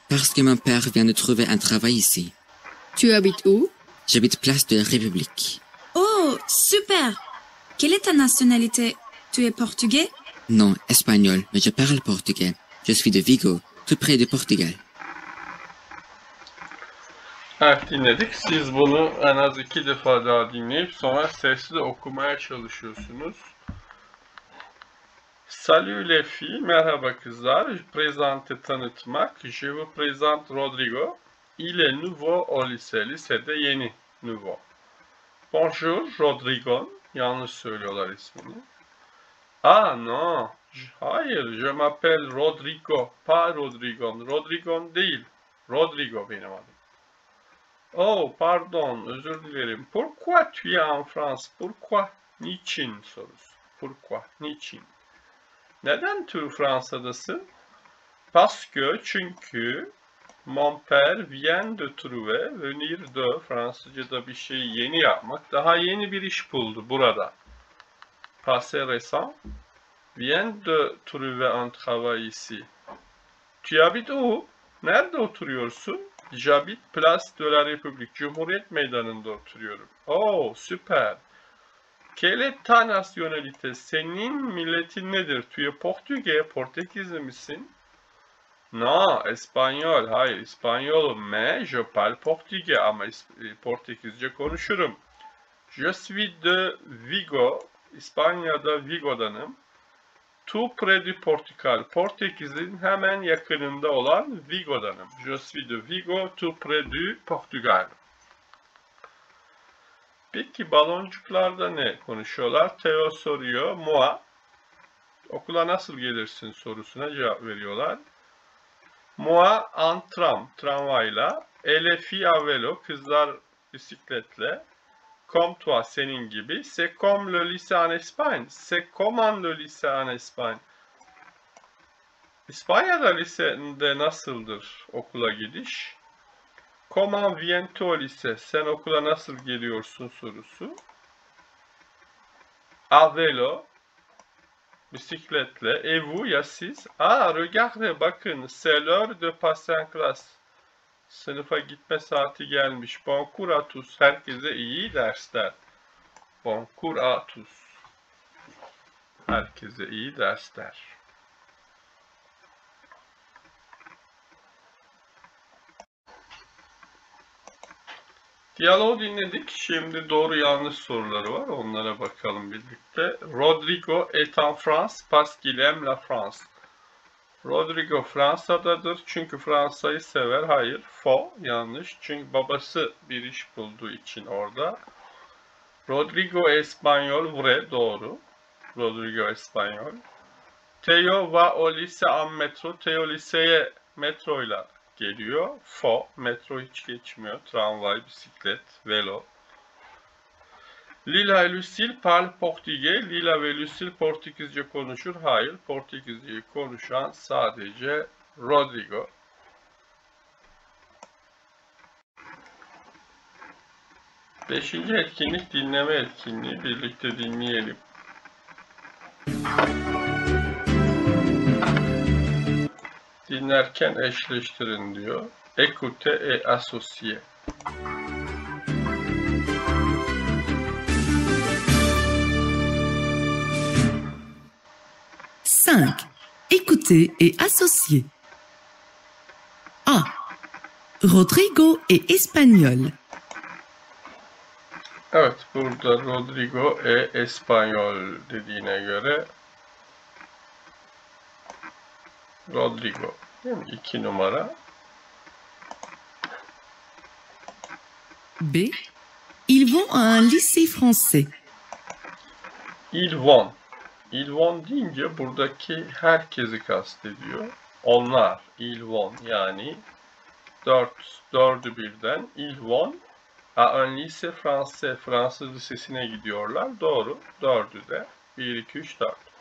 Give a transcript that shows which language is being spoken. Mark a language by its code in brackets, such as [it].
[fr] Parce que mon père vient de trouver un travail ici. Tu habites où? J'habite Place de la République. Oh, super. Quelle est ta nationalité? Tu es portugais? Non, espagnol, mais je parle portugais. Je suis de Vigo, tout près de Portugal. [tr] Evet dinledik. Siz bunu en az iki defa daha dinleyip sonra sesli de okumaya çalışıyorsunuz. [fr] Salut les filles, [tr] merhaba kızlar. [fr] Présente [tr] tanıtmak. [fr] Je vous présente Rodrigo. Il est nouveau au lycée. [tr] Lisede yeni. [fr] Nouveau. Bonjour Rodrigo. [tr] Yanlış söylüyorlar ismini. [fr] Ah non. [tr] Hayır. [fr] Je m'appelle Rodrigo. Pas Rodrigo. [tr] Rodrigo değil. Rodrigo benim adım. Oh, pardon, özür dilerim. [fr] Pourquoi tu es en France? [tr] Pourquoi? Niçin sorusu. Pourquoi? Niçin? Neden tu Fransa'dasın? [fr] Parce que, [tr] çünkü, [fr] mon père vient de trouver, venir de, [tr] Fransızca'da bir şeyi yeni yapmak, daha yeni bir iş buldu burada. [fr] Passé récent, vient de trouver un travail ici. Tu habites où? [tr] Nerede oturuyorsun? [fr] J'habite Place de la République. [tr] Cumhuriyet Meydanı'nda oturuyorum. Oh, süper. [fr] Quelle est ta nationalité? [tr] Senin milletin nedir? [fr] Tu es portugais, [tr] Portekizli misin? [fr] Non, espanyol. [tr] Hayır, İspanyolum. [fr] Mais je parle portugais. [tr] Ama Portekizce konuşurum. [fr] Je suis de Vigo. [tr] İspanya'da Vigo'danım. [fr] Tout près du Portugal. [tr] Portekiz'in hemen yakınında olan Vigo'danım. [fr] Je suis de Vigo, tout près du Portugal. [tr] Peki baloncuklarda ne konuşuyorlar? Theo soruyor. Moi. Okula nasıl gelirsin sorusuna cevap veriyorlar. [fr] Moi en tram. Tramvayla. Elle fille à vélo. [tr] Kızlar bisikletle. [fr] Comme toi, [tr] senin gibi. [fr] C'est comme le lycée en Espagne. C'est comment le lycée en Espagne. [tr] İspanya'da lisede nasıldır okula gidiş? [fr] Comment viens-tu au lycée? [tr] Sen okula nasıl geliyorsun sorusu. [fr] A vélo. [tr] Bisikletle. [fr] Et vous, [tr] ya siz? [fr] Ah, regarde, [tr] bakın. [fr] C'est l'heure de passer en classe. [tr] Sınıfa gitme saati gelmiş. [fr] Bon cours à tous. [tr] Herkese iyi dersler. [fr] Bon cours à tous. [tr] Herkese iyi dersler. Diyaloğu dinledik. Şimdi doğru yanlış soruları var. Onlara bakalım birlikte. [fr] Rodrigo est en France parce qu'il aime la France. [tr] Rodrigo Fransa'dadır çünkü Fransa'yı sever. Hayır, faux, yanlış. Çünkü babası bir iş bulduğu için orada. Rodrigo Espanyol, vrai, doğru. Rodrigo Espanyol. [fr] Theo va au lycée en metro. [tr] Theo liseye metroyla geliyor. Faux, metro hiç geçmiyor. Tramvay, bisiklet, velo. [fr] Lila et Lucille parlent portugais. [tr] Lila ve Lucille Portekizce konuşur. Hayır, Portekizce konuşan sadece Rodrigo. Beşinci etkinlik dinleme etkinliği. Birlikte dinleyelim. Dinlerken eşleştirin diyor. [fr] Écoutez et associez. Écoutez et associez. A. Rodrigo est espagnol. [tr] Evet, burada Rodrigo Espanyol dediğine göre Rodrigo, değil mi? İki numara. B. [fr] Ils vont à un lycée français. [tr] Ils vont deyince buradaki herkesi kastediyor. Onlar, ils vont, yani dördü birden. [fr] Ils vont à un lycée français, [tr] Fransız lisesine gidiyorlar. Doğru, dördü de. 1, 2, 3, 4.